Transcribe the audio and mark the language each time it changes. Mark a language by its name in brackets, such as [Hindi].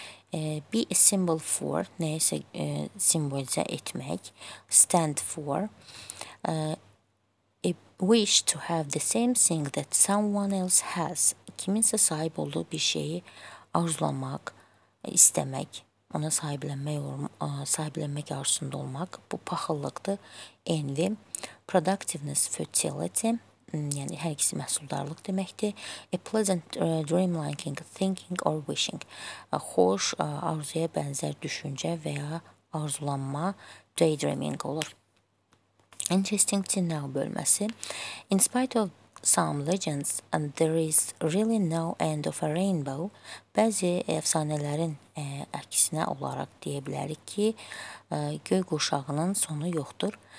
[English] Be a symbol for, [Azerbaijani] nəyəsə simbolizə etmək, [English] stand for. A wish to have the same thing that someone else has. [Azerbaijani] Kiminsə sahib olduğu bir şeyi arzulamaq, istəmək, ona sahiblənmək arzusunda olmaq. Bu paxıllıqdır. [English] Envy, productiveness, fertility, [Azerbaijani] yəni hər ikisi məhsuldarlıq deməkdir. [English] A pleasant dream liking, thinking or wishing. [Azerbaijani] Xoş, arzuya bənzər düşüncə və ya arzulanma, daydreaming olur. [English] Interesting to know bölməsi. In spite of some legends, and there is really no end of a rainbow. [Azerbaijani] Bəzi əfsanələrin əksinə olaraq deyə bilərik ki, göy qurşağının sonu yoxdur.